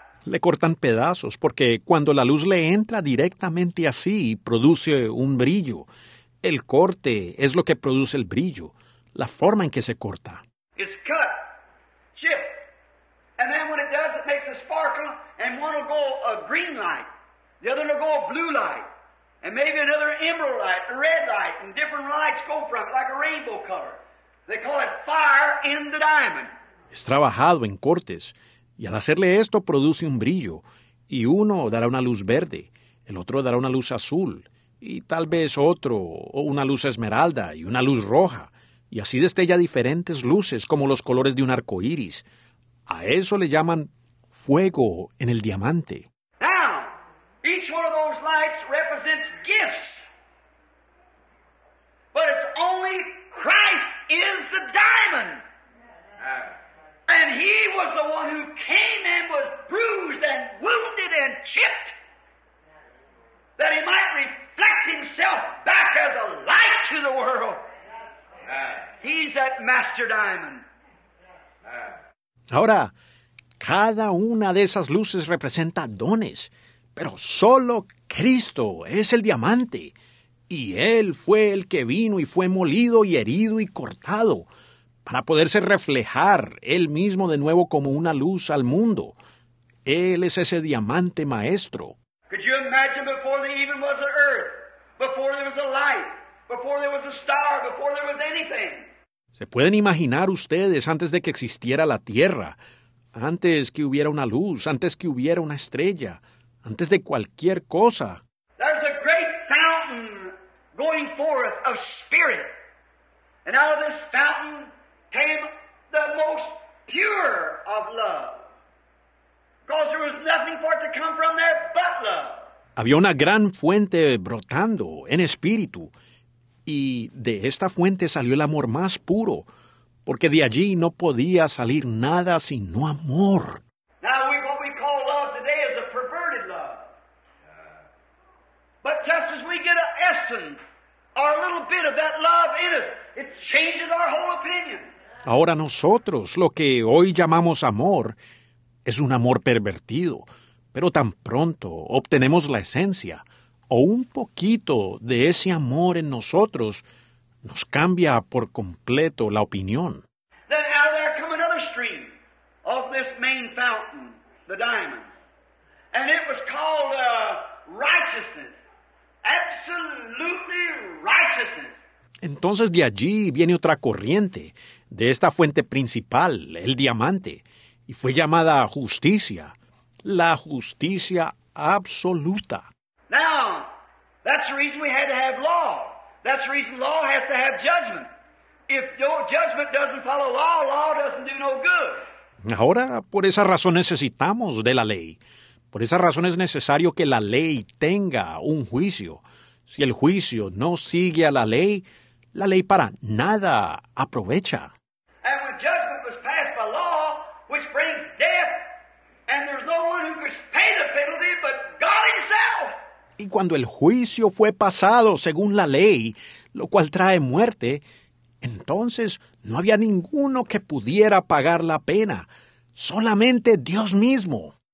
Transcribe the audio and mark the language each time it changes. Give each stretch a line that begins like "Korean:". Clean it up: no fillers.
Spanish: Le cortan pedazos, porque cuando la luz le entra directamente así, produce un brillo. El corte es lo que produce el brillo, la forma en que se corta.
English: It's cut, chip. And then when it does, it makes a sparkle, and one will go a green light, the other will go a blue light, and maybe another emerald light, a red light, and different lights go from it, like a rainbow color. They call it fire in the diamond.
Spanish: Es trabajado en cortes, y al hacerle esto produce un brillo, y uno dará una luz verde, el otro dará una luz azul, y tal vez otro, o una luz esmeralda, y una luz roja, y así destella diferentes luces, como los colores de un arco iris. A eso le llaman fuego en el diamante.
English: Now, each one of those lights represents gifts. But it's only Christ is the diamond. And he was the one who came and was bruised and wounded and chipped that he might reflect himself back as a light to the world. He's that master diamond.
Spanish: Ahora, cada una de esas luces representa dones, pero solo Cristo es el diamante. Y Él fue el que vino y fue molido y herido y cortado para poderse reflejar Él mismo de nuevo como una luz al mundo. Él es ese diamante maestro.
English: Could you imagine before there even was an earth, before there was a light, before there was a star, before there was anything?
Spanish: ¿Se pueden imaginar ustedes antes de que existiera la Tierra, antes que hubiera una luz, antes que hubiera una estrella, antes de cualquier cosa?
English: There's a great fountain going forth of spirit. And out of this fountain came the most pure of love. Because there was nothing for it to come from there but love.
Spanish: Había una gran fuente brotando en espíritu, y de esta fuente salió el amor más puro, porque de allí no podía salir nada sino amor.
English: Now, what we call love today is a perverted love. But just as we get an essence, or a little bit of that love in us, it changes our whole opinion.
Spanish: Ahora nosotros, lo que hoy llamamos amor, es un amor pervertido. Pero tan pronto obtenemos la esencia, o un poquito de ese amor en nosotros, nos cambia por completo la opinión.
English: Then out of there come another stream of this main fountain, the diamond. And it was called righteousness, absolutely righteousness.
Spanish: Entonces de allí viene otra corriente, de esta fuente principal, el diamante, y fue llamada justicia. La justicia absoluta.
English: Now, that's the reason we had to have law. That's the reason law has to have judgment. If your judgment doesn't follow law, law doesn't do no good.
Spanish: Ahora, por esa razón necesitamos de la ley. Por esa razón es necesario que la ley tenga un juicio. Si el juicio no sigue a la ley para nada aprovecha.
English: And when judgment was passed by law, which brings death, and there's no one who could pay the penalty but God himself.
Spanish: Y cuando el juicio fue pasado según la ley, lo cual trae muerte, entonces no había ninguno que pudiera pagar la pena, solamente Dios mismo.